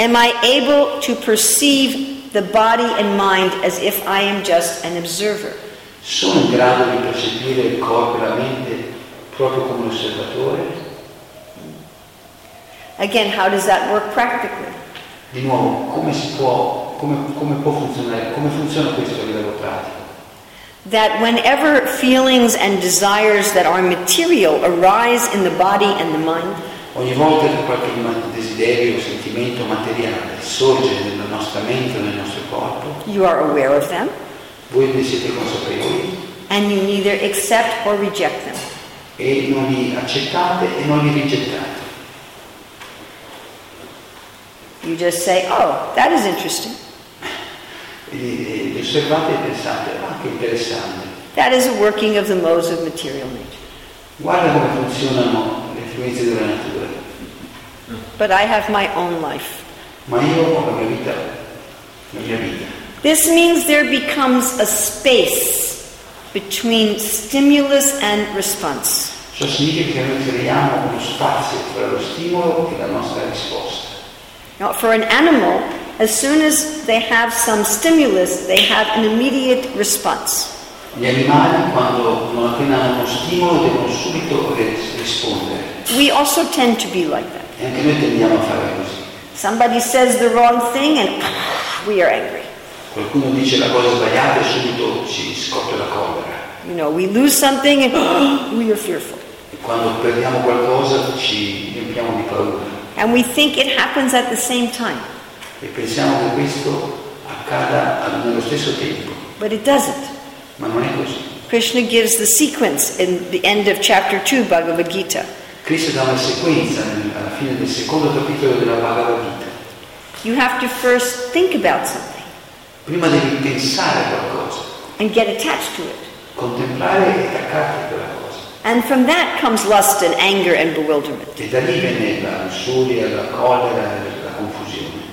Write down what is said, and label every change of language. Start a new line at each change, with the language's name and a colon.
English: Am I able to perceive the body and mind as if I am just an observer?
Italian: Sono in grado di percepire il corpo e la mente proprio come un osservatore?
English: Again, how does that work practically?
Italian: Di nuovo, come funziona questo a livello pratico?
English: That whenever feelings and desires that are material arise in the body and the mind,
Italian: ogni volta che qualche desiderio o sentimento materiale sorge nella nostra mente o nel nostro corpo,
English: you are aware of them,
Italian: voi ne siete consapevoli,
English: and you neither accept or reject them,
Italian: e non li accettate e non li rigettate.
English: You just say, oh, that is interesting.
Italian: Li osservate e pensate, che interessante.
English: That is a working of the modes of material nature.
Italian: Guarda come funzionano le influenze della natura.
English: But I have my own life.
Italian: Ma io ho la mia vita.
English: This means there becomes a space between stimulus and response.
Italian: Ciò significa che noi creiamo uno spazio tra lo stimolo e la nostra risposta.
English: Now, for an animal, as soon as they have some stimulus, they have an immediate response.
Italian: Gli animali, quando non appena hanno uno stimolo, devono subito rispondere.
English: We also tend to be like that.
Italian: E anche noi tendiamo a fare così.
English: Somebody says the wrong thing and we are angry.
Italian: Qualcuno dice la cosa sbagliata e subito ci scoppia la collera.
English: You know, we lose something and we are fearful.
Italian: E quando perdiamo qualcosa ci riempiamo di paura.
English: And we think it happens at the same time.
Italian: E pensiamo che questo accada nello stesso tempo.
English: But it doesn't.
Italian: Ma non è così.
English: Krishna gives the sequence in the end of chapter 2 Bhagavad Gita.
Italian: Krishna dà una sequenza alla fine del secondo capitolo della Bhagavad Gita.
English: You have to first think about something.
Italian: Prima devi pensare qualcosa.
English: And get attached to it.
Italian: Contemplare e attaccarti a quella cosa.
English: And from that comes lust and anger and bewilderment.
Italian: E da lì viene la lussuria, la collera, la confusione.